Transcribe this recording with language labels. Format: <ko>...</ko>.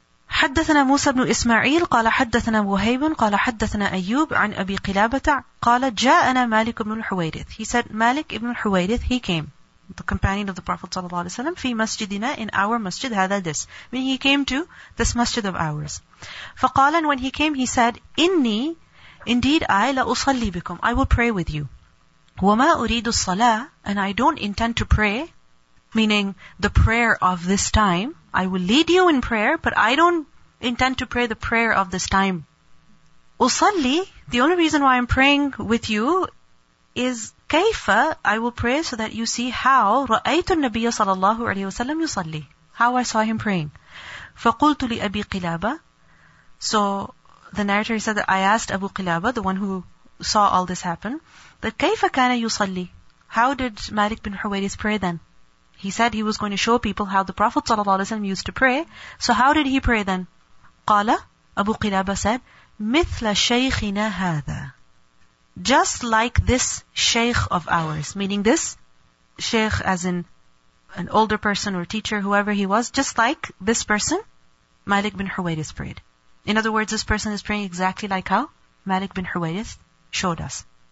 <ar>حدثنا موسى بن إسماعيل قال حدثنا وهيب قال حدثنا أيوب عن أبي قلابة قال جاءنا مالك بن الحويرث.</ar> <en>He said, Malik ibn al-Huwayrith, he came, the companion of the Prophet sallallahu alaihi wasallam,</en> <ar>fi masjidina,</ar> <en>in our masjid, hada this. I mean, he came to this masjid of ours.</en> <ar>فقال,</ar> <en>and when he came, he said, inni, indeed I,</en> <ar>la usalli bikum,</ar> <en>I will pray with you.</en> <ar>وما أريد الصلاة,</ar> <en>and I don't intend to pray, meaning the prayer of this time. I will lead you in prayer, but I don't intend to pray the prayer of this time. usalli, the only reason why I'm praying with you is</en> <ar>كَيْفَ,</ar> <en>I will pray so that you see how</en> <ar>رَأَيْتُ النَّبِيَ صَلَى اللَّهُ عَلَيْهِ وَسَلَّمْ يُصَلِّي,</ar> <en>how I saw him praying.</en> <ar>فَقُلْتُ لِأَبِي قِلَابَ,</ar> <en>so the narrator said that I asked Abu Qilaba, the one who saw all this happen. But</en> <ar>كيف كان يصلي?</ar> <en>How did Malik bin Huwayris pray then? He said he was going to show people how the Prophet ﷺ used to pray. So how did he pray then?</en> <ar>قال أبو قلابة</ar> <en>said,</en> <ar>مثل شيخنا هذا.</ar> <en>Just like this Shaykh of ours, meaning this Shaykh as in an older person or teacher, whoever he was, just like this person, Malik bin Huwayris prayed. In other words, this person is praying exactly like how Malik bin Huwayris showed us.</en>